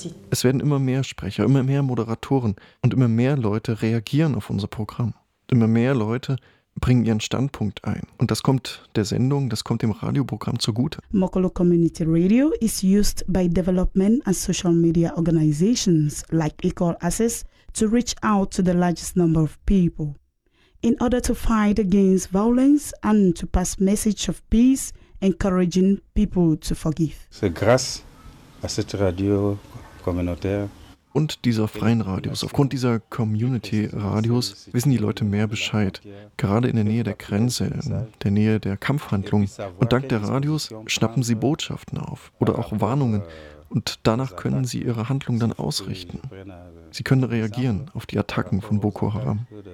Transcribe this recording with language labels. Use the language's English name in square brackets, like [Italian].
[German] Es werden immer mehr Sprecher, immer mehr Moderatoren und immer mehr Leute reagieren auf unser Programm. Immer mehr Leute bringen ihren Standpunkt ein. Und das kommt der Sendung, das kommt dem Radioprogramm zugute. [English] Mokolo Community Radio is used by development and social media organizations like Equal Access to reach out to the largest number of people. In order to fight against violence and to pass message of peace, encouraging people to forgive. [French] C'est grâce à cette radio communautaire. [German] Und dieser freien Radios, aufgrund dieser Community-Radios, wissen die Leute mehr Bescheid. Gerade in der Nähe der Grenze, in der Nähe der Kampfhandlung. Und dank der Radios schnappen sie Botschaften auf oder auch Warnungen. Und danach können sie ihre Handlung dann ausrichten. Sie können reagieren auf die Attacken von Boko Haram.